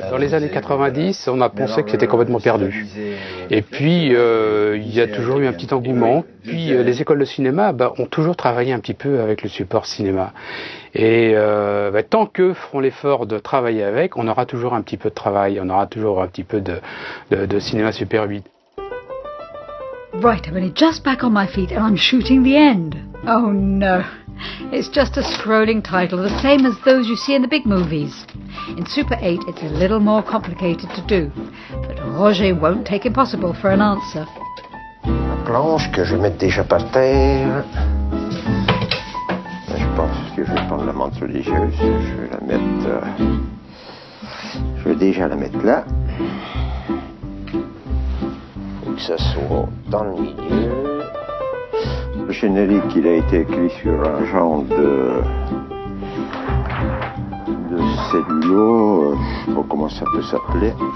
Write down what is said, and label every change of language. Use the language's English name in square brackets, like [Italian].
[French] Dans les années 90, on a pensé que c'était complètement perdu. Et puis, il y a toujours eu un petit engouement. Puis, les écoles de cinéma ont toujours travaillé un petit peu avec le support cinéma. Et tant qu'eux feront l'effort de travailler avec, on aura toujours un petit peu de travail, on aura toujours un petit peu de cinéma Super 8. [English] Right, I'm only just back on my feet and I'm shooting the end. Oh no, it's just a scrolling title, the same as those you see in the big movies. In Super 8, it's a little more complicated to do, but Roger won't take impossible for an answer. [French] La planche que je mette déjà par terre. Je pense que je vais prendre la menthe religieuse. Je vais la mettre. Je vais déjà la mettre là. Que ça soit dans le milieu. Le générique, il a été écrit sur un genre de cellulose, je ne sais pas comment ça peut s'appeler.